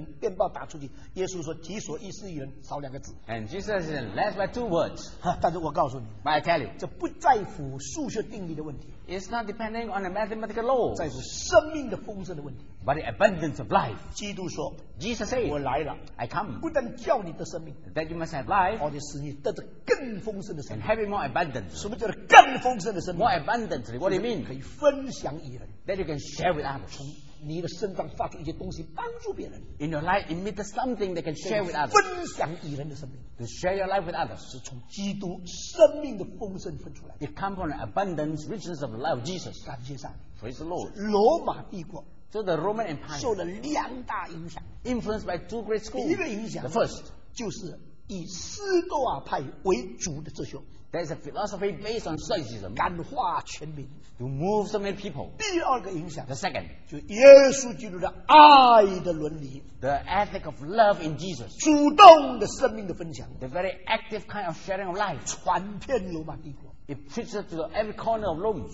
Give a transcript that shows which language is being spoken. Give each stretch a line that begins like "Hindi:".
Chinese: 所以呢，你说的孔子说己所不欲，勿施于人，电报打出去。耶稣说己所欲施于人，少两个字。
English: And Jesus said less by two words.
Chinese: 但是我告诉你，
English: But I tell you,
Chinese: 这不在乎数学定律的问题。
English: It's not depending on a mathematical law.
Chinese: 在是生命的丰盛的问题。
English: But the abundance of life.
Chinese: 基督说，
English: Jesus said,
Chinese: 我来了，
English: I come.
Chinese: 不但叫你的生命，
English: That you must have life.
Chinese: 而且使你得着更丰盛的生命。
English: And have more abundance.
Chinese: 什么叫做更丰盛的生命？
English: More abundantly. What do you mean?
Chinese: 可以分享与人。
English: That you can share with others.
Chinese: 从你的身上发出一些东西帮助别人。
English: In your life, emit something that can share with others.
Chinese: 分享与人的生命。
English: To share your life with others.
Chinese: 是从基督生命的丰盛分出来。
English: It comes from the abundance, richness of the life of Jesus.
Chinese: 感谢上帝。
English: Praise the Lord.
Chinese: 罗马帝国。
English: So the Roman Empire
Chinese: 受了两大影响，
English: influenced by two great schools.
Chinese: 第一个影响，
English: the first
Chinese: 就是以斯多亚派为主的哲学。
English: There's a philosophy based on Stoicism.
Chinese: 感化全民，
English: to move so many people.
Chinese: 第二个影响，
English: the second
Chinese: 就耶稣基督的爱的伦理，
English: the ethic of love in Jesus.
Chinese: 主动的生命的分享，
English: the very active kind of sharing of life.
Chinese: 传遍罗马帝国，
English: it preaches to every corner of Rome.